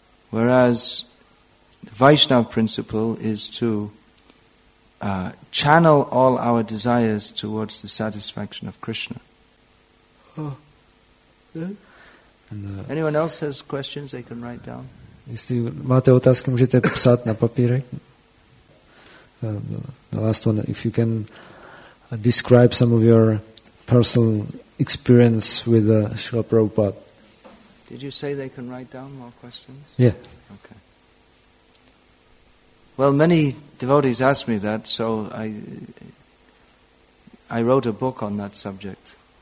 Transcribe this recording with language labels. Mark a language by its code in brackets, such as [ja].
[en] Whereas the Vaishnava principle is to channel all our desires towards the satisfaction of Krishna. Anyone else has questions they can write down? [cs] Jestli máte otázky, můžete psát na papírek. [en] The last one, if you can describe some of your personal experience with Srila Prabhupada. Did you say they can write down more questions? Yeah. Okay. Well, many devotees asked me that, so I wrote a book on that subject.